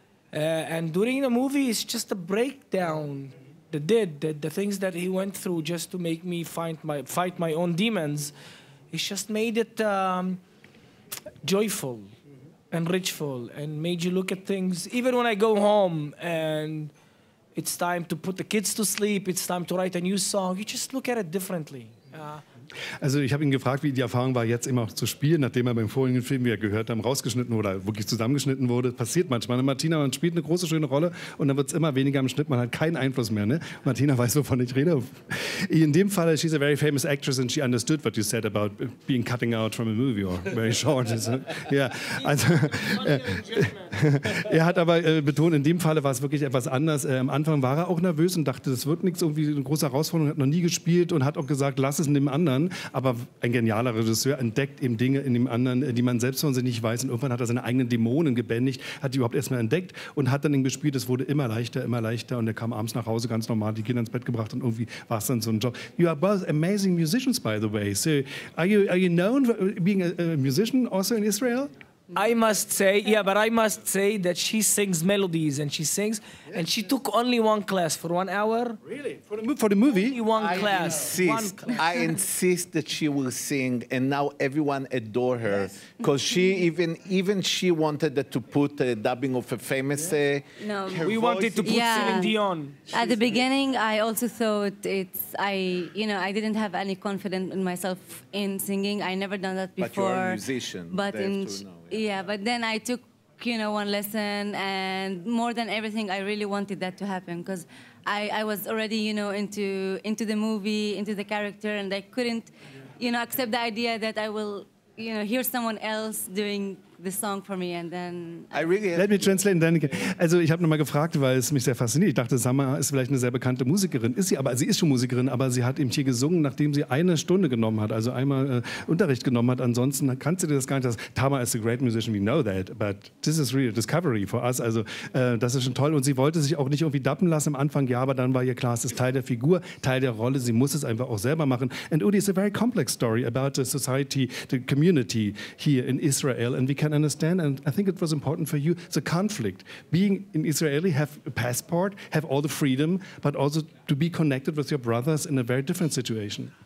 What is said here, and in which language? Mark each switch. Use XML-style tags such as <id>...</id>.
<en>And during the movie, it's just a breakdown. The things that he went through just to make me fight my own demons, it just made it joyful and richful and made you look at things. Even when I go home and it's time to put the kids to sleep, it's time to write a new song, you just look at it differently.</en> <de>Also ich habe ihn gefragt, wie die Erfahrung war, jetzt immer auch zu spielen, nachdem er beim vorigen Film, wie wir gehört haben, rausgeschnitten wurde, wirklich zusammengeschnitten wurde. Passiert manchmal. Und Martina, man spielt eine große, schöne Rolle und dann wird es immer weniger im Schnitt, man hat keinen Einfluss mehr. Ne? Martina weiß, wovon ich rede. In dem Fall,</de> <en>she's a very famous actress and she understood what you said about being cutting out from a movie or very short. Yeah.</en> <de>Also, er hat aber betont, in dem Fall war es wirklich etwas anders. Am Anfang war er auch nervös und dachte, das wird nichts, irgendwie eine große Herausforderung, hat noch nie gespielt und hat auch gesagt, lass es in dem anderen. Aber ein genialer Regisseur entdeckt eben Dinge in dem anderen, die man selbst von sich nicht weiß. Und irgendwann hat er seine eigenen Dämonen gebändigt, hat die überhaupt erstmal entdeckt und hat dann ihn gespielt. Es wurde immer leichter und er kam abends nach Hause ganz normal, die Kinder ins Bett gebracht und irgendwie war es dann so ein Job.</de> <en>You are both amazing musicians, by the way. So are you known for being a musician also in Israel? I must say, yeah, but I must say that she sings melodies and she sings, yes, and she took only one class for 1 hour. Really? For the movie? Only one class. I insist that she will sing, and now everyone adore her, because yes. She even she wanted to put a dubbing of a famous. Yeah. We wanted to put Celine Dion. At the beginning, I also thought I didn't have any confidence in myself in singing. I never done that before. But you're a musician. But they in have to know. Yeah, but then I took, you know, one lesson, and more than everything, I really wanted that to happen, because I was already, you know, into the movie, into the character, and I couldn't, you know, accept the idea that I will, you know, hear someone else doing the song for me, and then... Let me translate in Danica.</en> <de>Also, ich habe nochmal gefragt, weil es mich sehr fasziniert. Ich dachte, Summer ist vielleicht eine sehr bekannte Musikerin. Ist sie aber, sie ist schon Musikerin, aber sie hat eben hier gesungen, nachdem sie eine Stunde genommen hat, also einmal Unterricht genommen hat. Ansonsten kannst du dir das gar nicht sagen.</de> <en>Tama is a great musician, we know that, but this is really a discovery for us.</en> <de>Also, das ist schon toll. Und sie wollte sich auch nicht irgendwie dappen lassen am Anfang, ja, aber dann war ihr klar, es ist Teil der Figur, Teil der Rolle. Sie muss es einfach auch selber machen.</de> <en>And Udi, it's a very complex story about the society, the community here in Israel, and we can understand, and I think it was important for you, the conflict, being an Israeli, have a passport, have all the freedom, but also to be connected with your brothers in a very different situation.</en>